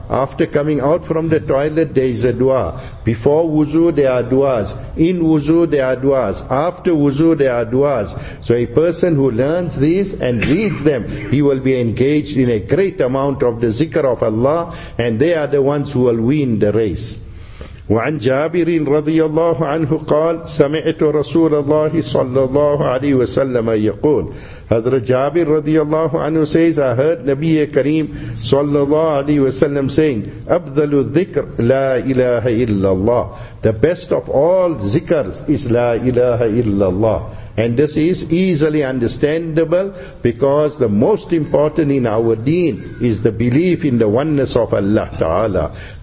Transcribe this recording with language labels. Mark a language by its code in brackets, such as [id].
[en] After coming out from the toilet, there is a du'a. Before wuzu, there are du'as. In wuzu, there are du'as. After wuzu, there are du'as. So a person who learns these and reads them, he will be engaged in a great amount of the zikr of Allah. And they are the ones who will win the race. [ar] وعن جابر رضي الله عنه قال سمعت رسول الله صلى الله عليه وسلم يقول. [en] Hazrat Jabir radiyallahu anhu says, I heard Nabiya Kareem sallallahu alayhi wa sallam saying, [ar] أَبْذَلُ الذِّكْرِ لَا إِلَٰهَ إِلَّا اللَّهِ. [en] The best of all zikrs is [ar] لا إله إلا الله. [en] And this is easily understandable, because the most important in our deen is the belief in the oneness of Allah Ta'ala.